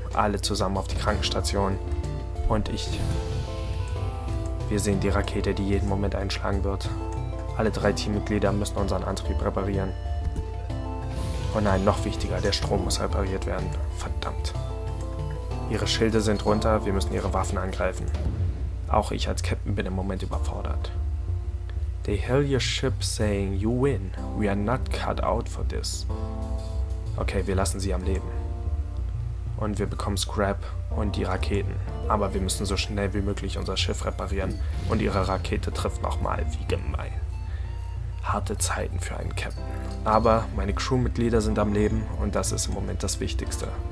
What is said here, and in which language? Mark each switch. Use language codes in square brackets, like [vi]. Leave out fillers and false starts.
[de] Alle zusammen auf die Krankenstation. Und ich. Wir sehen die Rakete, die jeden Moment einschlagen wird. Alle drei Teammitglieder müssen unseren Antrieb reparieren. Oh nein, noch wichtiger, der Strom muss repariert werden. Verdammt. Ihre Schilde sind runter, wir müssen ihre Waffen angreifen. Auch ich als Captain bin im Moment überfordert. [en] They hail your ship saying, you win. We are not cut out for this. [de] Okay, wir lassen sie am Leben. Und wir bekommen Scrap und die Raketen. Aber wir müssen so schnell wie möglich unser Schiff reparieren. Und ihre Rakete trifft nochmal, wie gemein. Harte Zeiten für einen Captain. Aber meine Crewmitglieder sind am Leben und das ist im Moment das Wichtigste.